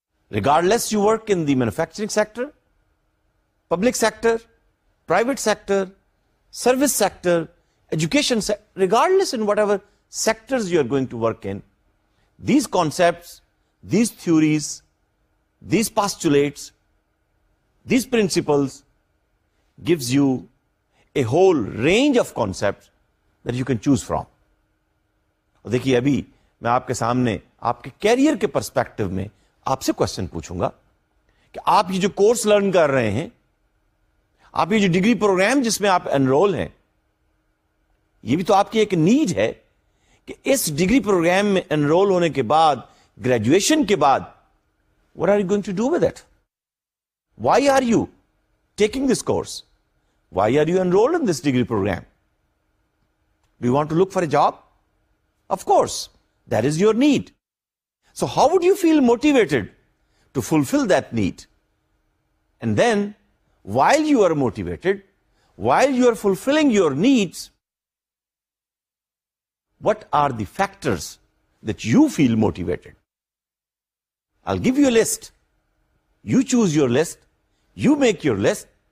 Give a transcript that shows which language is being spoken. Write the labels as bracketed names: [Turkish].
[English] Regardless you work in the manufacturing sector, public sector, private sector, service sector, education sector, regardless in whatever sectors you are going to work in, these concepts, these theories, these postulates, these principles gives you a whole range of concepts that you can choose from. [Urdu] دیکھیے ابھی میں آپ کے سامنے آپ کے career کے perspective میں آپ سے کوشچن پوچھوں گا کہ آپ یہ جو کورس لرن کر رہے ہیں, آپ یہ جو ڈگری پروگرام جس میں آپ انرول ہیں, یہ بھی تو آپ کی ایک نیڈ ہے کہ اس ڈگری پروگرام میں انرول ہونے کے بعد, گریجویشن کے بعد, [English] what are you going to do with it? Why are you taking this course? Why are you enrolled in this degree program? Do you want to look for a job? Of course, that is your need. So how would you feel motivated to fulfill that need? And then, while you are motivated, while you are fulfilling your needs, what are the factors that you feel motivated? I'll give you a list. You choose your list. You make your list.